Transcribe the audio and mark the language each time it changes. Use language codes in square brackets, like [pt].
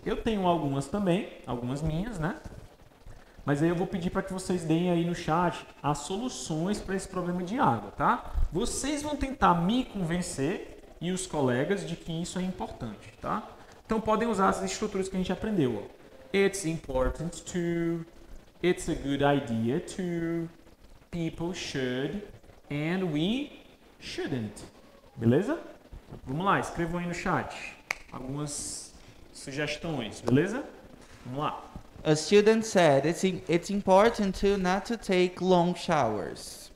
[pt] Eu tenho algumas também, algumas minhas, né? Mas aí eu vou pedir para que vocês deem aí no chat as soluções para esse problema de água, tá? Vocês vão tentar me convencer e os colegas de que isso é importante, tá? Então podem usar as estruturas que a gente aprendeu, ó. [en] It's important to, it's a good idea to, people should, and we shouldn't. [pt] Beleza? Vamos lá, escrevam aí no chat algumas sugestões, beleza? Vamos lá. [en] A student said, it's important to not to take long showers.